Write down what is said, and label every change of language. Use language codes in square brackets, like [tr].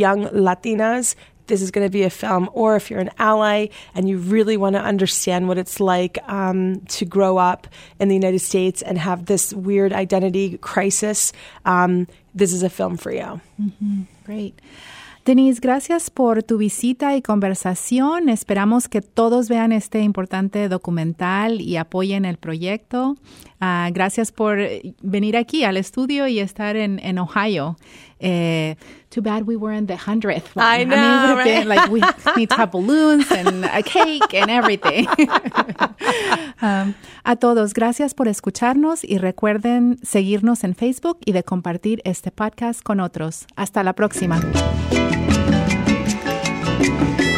[en] young Latinas, this is going to be a film. Or if you're an ally and you really want to understand what it's like to grow up in the United States and have this weird identity crisis, this is a film for you. Mm-hmm. Great. [es] Denise, gracias por tu visita y conversación. Esperamos que todos vean este importante documental y apoyen el proyecto. Gracias por venir aquí al estudio y estar en Ohio. [en] Too bad we weren't the 100th. One. I know, I mean, right? Been, like, we need to have balloons and a cake and everything. [es] A todos, gracias por escucharnos y recuerden seguirnos en Facebook y de compartir este podcast con otros. Hasta la próxima. [en] We'll be right back.